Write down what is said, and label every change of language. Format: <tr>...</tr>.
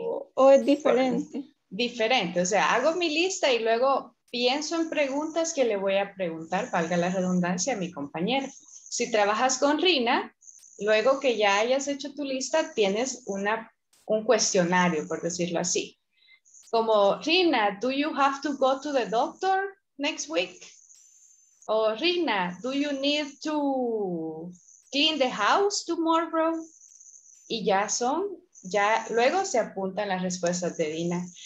<es>O es diferente. Diferente. O sea, hago mi lista y luego pienso en preguntas que le voy a preguntar, valga la redundancia, a mi compañero. Si trabajas con Rina, luego que ya hayas hecho tu lista, tienes un cuestionario, por decirlo así.</es> <en>Como, Rina, do you have to go to the doctor next week? O Rina, do you need to clean the house tomorrow?</en> <es>Y ya son, ya luego se apuntan las respuestas de Rina.</es>